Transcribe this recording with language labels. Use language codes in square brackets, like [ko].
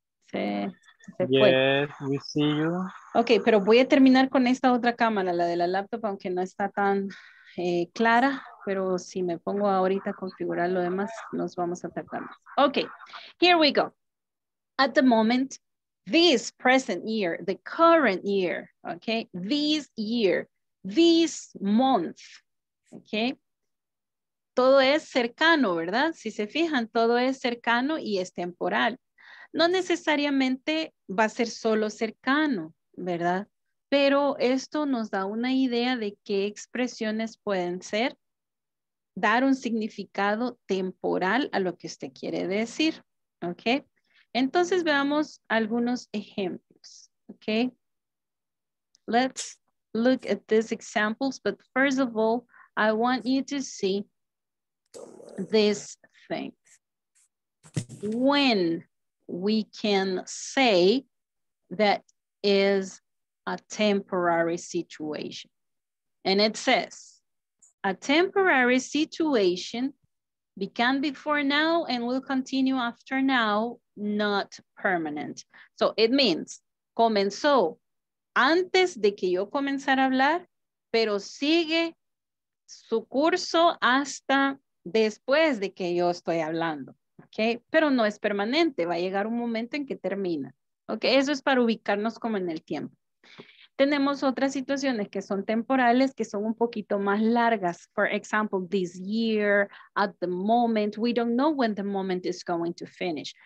[es] Se fue. [en] Yes, we see you. [es] Okay, pero voy a terminar con esta otra cámara, la de la laptop, aunque no está tan clara. Pero si me pongo ahorita a configurar lo demás, nos vamos a tardar más. [en] Okay, here we go. At the moment, this present year, the current year, okay? This year, this month, okay? [es] Todo es cercano, ¿verdad? Si se fijan, todo es cercano y es temporal. No necesariamente va a ser solo cercano, ¿verdad? Pero esto nos da una idea de qué expresiones pueden ser dar un significado temporal a lo que usted quiere decir, ¿ok? Entonces veamos algunos ejemplos, ¿ok? [en] Let's look at these examples, but first of all, I want you to see this thing. When we can say that is a temporary situation. And it says, a temporary situation began before now and will continue after now, not permanent. So it means, [es] comenzó antes de que yo comenzara a hablar, pero sigue su curso hasta después de que yo estoy hablando, okay? Pero no es permanente, va a llegar un momento en que termina, okay? Eso es para ubicarnos como en el tiempo. Tenemos otras situaciones que son temporales, que son un poquito más largas. [en] For example, this year, at the moment, we don't know when the moment is going to finish.